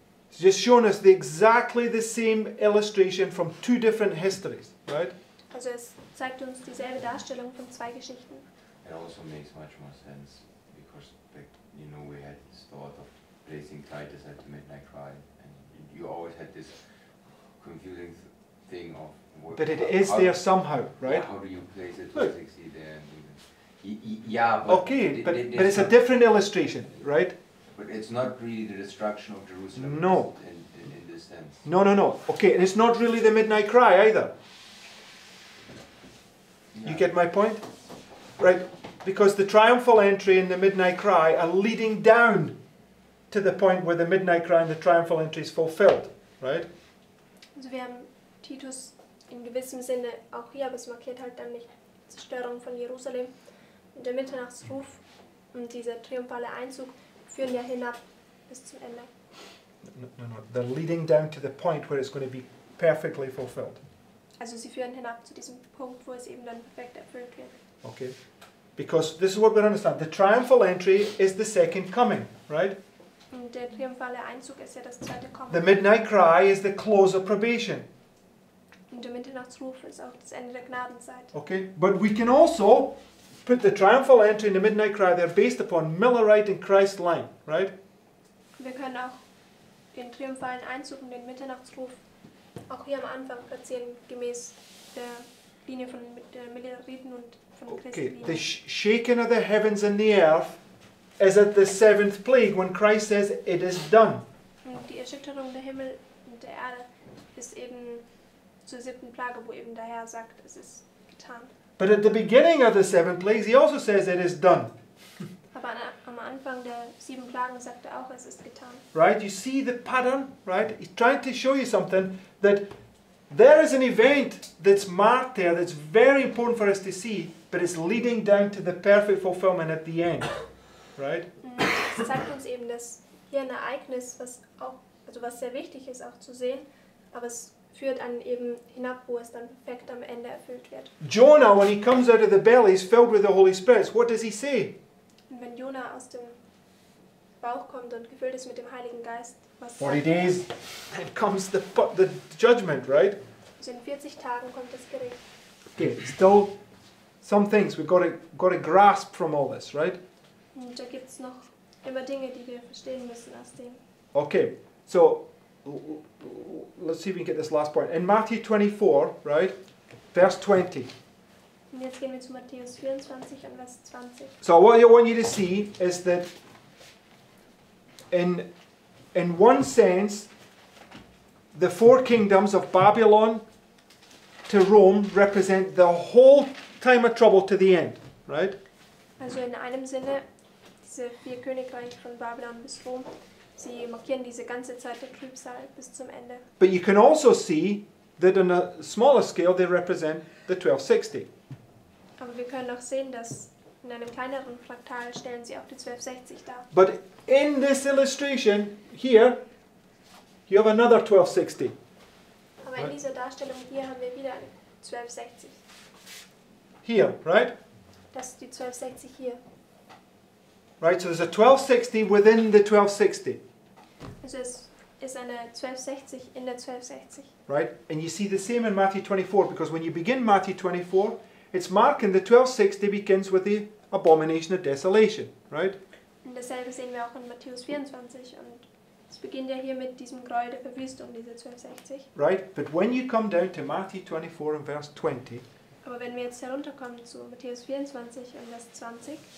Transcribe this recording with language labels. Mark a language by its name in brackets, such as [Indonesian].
[English] It's just shown us the exactly the same illustration from two different histories, right? [German] Also es zeigt uns dieselbe Darstellung von zwei Geschichten. [English] It also makes much more sense because back, you know, we had this thought of placing Titus at the midnight cry, and you always had this confusing thing of that it is there somehow, right? Yeah, how do you place it? 260 there, and even, yeah, but okay, but it's a different illustration, right? But it's not really the destruction of Jerusalem. No, in this sense. No, no, no. Okay, and it's not really the midnight cry either. You get my point? Right, because the triumphal entry and the midnight cry are leading down to the point where the midnight cry and the triumphal entry is fulfilled, right? [German] Also wir haben Titus in gewissem Sinne auch hier, aber es markiert halt dann nicht die Zerstörung von Jerusalem. Und der Mitternachtsruf und dieser triumphale Einzug führen ja hinab bis zum Ende. [English] No, no, no. They're leading down to the point where it's going to be perfectly fulfilled. [German] Also sie führen hinab zu diesem Punkt, wo es eben dann perfekt erfüllt wird. [English] Okay. Because this is what we understand. The triumphal entry is the second coming, right? [German] Und der triumphale Einzug ist ja das zweite Kommen. [English] The midnight cry is the close of probation. [German] Und der Mitternachtsruf ist auch das Ende der Gnadenzeit. [English] Okay. But we can also put the triumphal entry and the midnight cry, they're based upon Millerite and Christ line, right? [German] Wir können auch den triumphalen Einzug und den Mitternachtsruf auch hier am Anfang platzieren, gemäß der Linie von den Milleriten und von Christi. [English] Okay, the shaking of the heavens and the earth is at the seventh plague, when Christ says, it is done. [German] Und die Erschütterung der Himmel und der Erde ist eben zur siebten Plage, wo eben der Herr sagt, es ist getan. [English] But at the beginning of the seventh plague, he also says, it is done. [German] Aber am Anfang der sieben Plagen sagt er auch, es ist getan. [English] Right, you see the pattern, right? He's trying to show you something. That there is an event that's marked there that's very important for us to see, but it's leading down to the perfect fulfillment at the end, right? [German] Es zeigt uns eben, dass hier ein Ereignis, was auch, also was sehr wichtig ist, auch zu sehen, aber es führt an eben hinab, wo es dann perfekt am Ende erfüllt wird. [English] Jonah, when he comes out of the belly, is filled with the Holy Spirit. What does he say? [German] Und wenn Jonah aus dem Bauch kommt und gefüllt ist mit dem Heiligen Geist. [English] 40 days, and comes the judgment, right? [German] So in 40 Tagen kommt das Gericht. [English] Okay, still some things we got to grasp from all this, right? [German] Und da gibt's noch immer Dinge, die wir verstehen müssen aus dem. [English] Okay, so let's see if we can get this last point. In Matthew 24, right, verse 20. [German] Und jetzt gehen wir zu Matthäus 24 und Vers 20. [English] So what I want you to see is that in one sense, the four kingdoms of Babylon to Rome represent the whole time of trouble to the end, right? [German] Also in einem Sinne, diese vier Königreiche von Babylon bis Rom, sie markieren diese ganze Zeit der Trübsal bis zum Ende. [English] But you can also see that on a smaller scale they represent the 1260. [German] Aber wir können auch sehen, dass in einem kleineren Fraktal stellen sie auch die 1260 dar. [English] But in this illustration here, you have another 1260. [German] Aber in dieser Darstellung hier haben wir wieder 1260. [English] Here, right? [German] Das ist die 1260 hier. [English] Right, so there's a 1260 within the 1260. [German] Also es ist eine 1260 in der 1260. [English] Right, and you see the same in Matthew 24, because when you begin Matthew 24, it's marking the 1260 begins with the abomination of desolation, right? [German] Und dasselbe sehen wir auch in Matthäus 24, und es beginnt ja hier mit diesem Gräuel der Verwüstung, diese 1260. [English] Right, but when you come down to Matthew 24 and verse 20, [German] aber wenn wir jetzt herunterkommen zu Matthäus 24 und Vers 20.